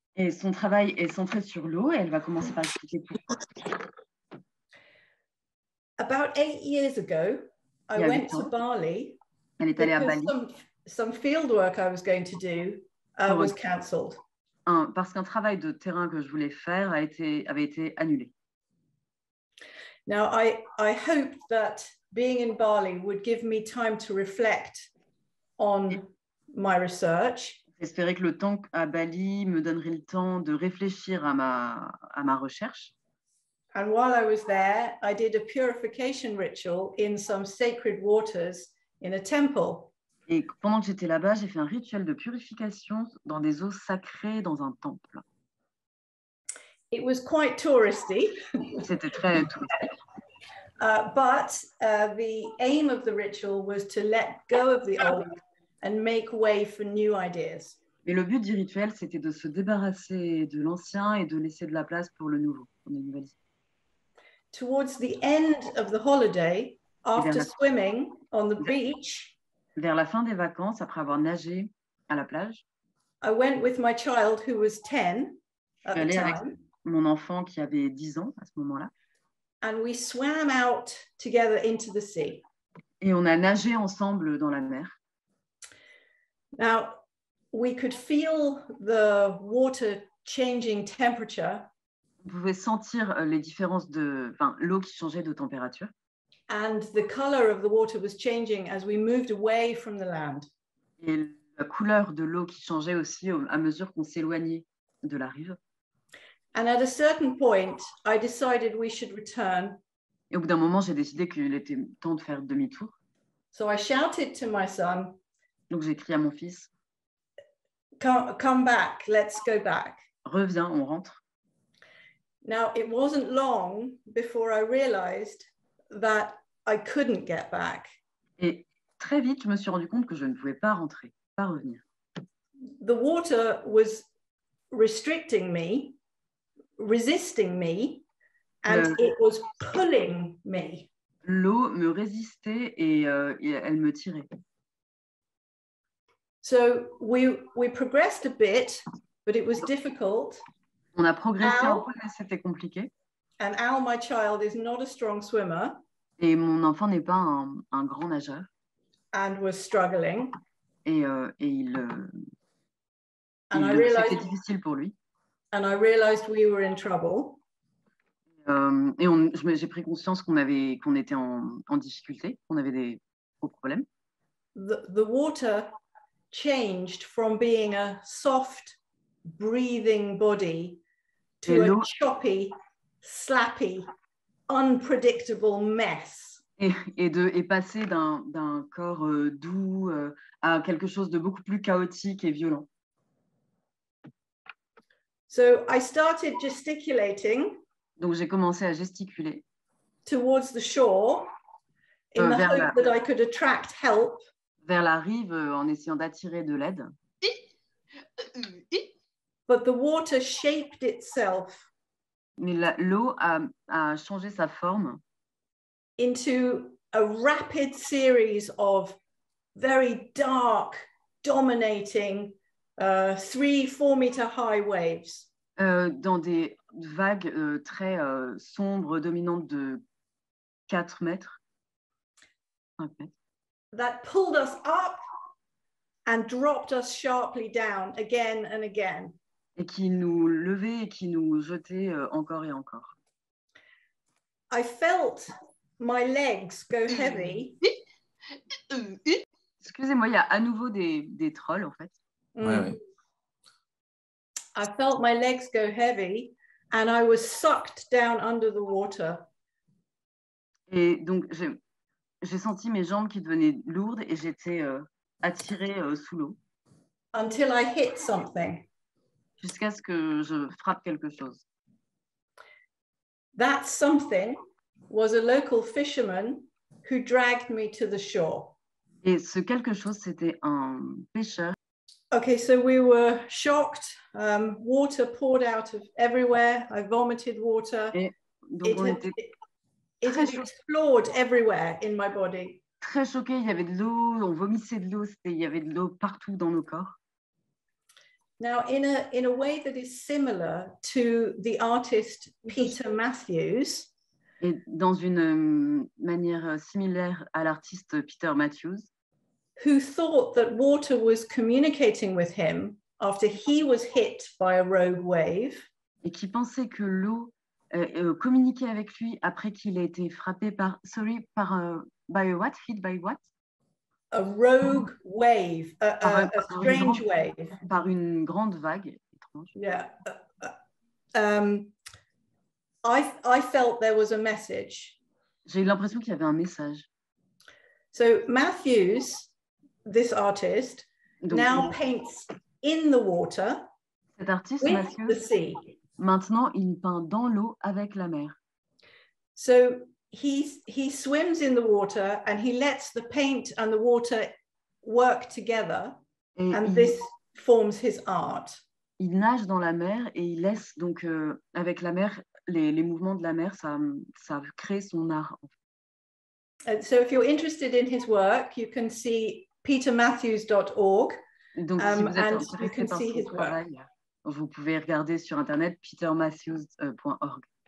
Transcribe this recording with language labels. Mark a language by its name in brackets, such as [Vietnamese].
[French] Et son travail est centré sur l'eau. Et elle va commencer par expliquer pourquoi. [English] About 8 years ago, I went to Bali. [French] Elle est allée à Bali. [English] Some field work I was going to do. Was cancelled. [French] Parce qu'un travail de terrain que je voulais faire avait été annulé. [English] Now I hope that being in Bali would give me time to reflect on my research. [French] J'espérais que le temps à Bali me donnerait le temps de réfléchir à ma recherche. [English] And while I was there, I did a purification ritual in some sacred waters in a temple. [French] Et pendant que j'étais là-bas, j'ai fait un rituel de purification dans des eaux sacrées, dans un temple. [English] It was quite touristy. [French] C'était très touristique. [English] But the aim of the ritual was to let go of the old and make way for new ideas. [French] Et le but du rituel, c'était de se débarrasser de l'ancien et de laisser de la place pour le nouveau, pour les nouvelles idées. [English] Towards the end of the holiday, after swimming on the beach. [French] Vers la fin des vacances, après avoir nagé à la plage, [English] I went with my child who was 10 [French] je suis allée avec mon enfant qui avait 10 ans à ce moment-là. [English] And we swam out together into the sea. [French] Et on a nagé ensemble dans la mer. [English] Now, we could feel the water changing temperature. [French] On pouvait sentir les différences de, enfin, l'eau qui changeait de température. [English] And the color of the water was changing as we moved away from the land. [French] Et la couleur de l'eau qui changeait aussi à mesure qu'on s'éloignait de la rive. [English] And at a certain point, I decided we should return. [French] Et au bout d'un moment, j'ai décidé qu'il était temps de faire demi-tour. [English] So I shouted to my son. [French] Donc j'ai crié à mon fils. [English] Come back, let's go back. [French] Reviens, on rentre. [English] Now, it wasn't long before I realized that I couldn't get back. [French] Et très vite, je me suis rendu compte que je ne pouvais pas rentrer, pas revenir. [English] The water was restricting me resisting me and it was pulling me. [French] L'eau me résistait et elle me tirait. [English] So we progressed a bit, but it was difficult. [French] On a progressé un peu, mais c'était compliqué. [English] And Al, my child, is not a strong swimmer. [French] Et mon enfant n'est pas un grand nageur. [English] And was struggling. [French] C'était difficile pour lui. [English] And I realized we were in trouble. [French] J'ai pris conscience qu'on était en difficulté, qu'on avait des gros problèmes. [English] The water changed from being a soft, breathing body to a choppy, slappy, unpredictable mess. [French] Et passer d'un corps doux à quelque chose de beaucoup plus chaotique et violent. [English] So I started gesticulating. [French] Donc j'ai commencé à gesticuler. [English] Towards the shore, in the hope that I could attract help. [French] Vers la rive, en essayant d'attirer de l'aide. [English] But the water shaped itself. [French] Mais l'eau a changé sa forme. [English] Into a rapid series of very dark, dominating, 3-4 meter high waves. [French] Dans des vagues très sombres, dominantes de 4 mètres. [English] That pulled us up and dropped us sharply down again and again. [French] Et qui nous levait et qui nous jetait encore et encore. [English] I felt my legs go heavy. [French] Excusez-moi, il y a à nouveau des trolls en fait. [English] I felt my legs go heavy and I was sucked down under the water. [French] Et donc j'ai senti mes jambes qui devenaient lourdes et j'étais attirée sous l'eau. [English] Until I hit something. [French] Jusqu'à ce que je frappe quelque chose. [English] That something was a local fisherman who dragged me to the shore. Et ce quelque chose, c'était un pêcheur. Okay, so we were shocked. Water poured out of everywhere. I vomited water. It had explored everywhere in my body. [French] Très choqué, il y avait de l'eau, on vomissait de l'eau, il y avait de l'eau partout dans nos corps. [English] Now, in a way that is similar to the artist Peter Matthews. [French] Et dans une manière similaire à l'artiste Peter Matthews. [English] Who thought that water was communicating with him after he was hit by a rogue wave? [French] Et qui pensait que l'eau communiquait avec lui après qu'il ait été frappé par [English] a rogue wave, strange wave. [French] Par une grande vague étrange. [English] I felt there was a message. [French] J'ai eu l'impression qu'il y avait un message. [English] So Matthews, this artist, now paints in the water. [French] Cet artiste, Matthews, [English] the sea. [French] Maintenant, il peint dans l'eau avec la mer. [English] So he swims in the water and he lets the paint and the water work together. This forms his art. [French] Il nage dans la mer et il laisse donc avec la mer les mouvements de la mer, ça crée son art. [English] So if you're interested in his work, you can see petermatthews.org. [French] Donc si vous êtes intéressé par son travail, vous pouvez regarder sur internet petermatthews.org.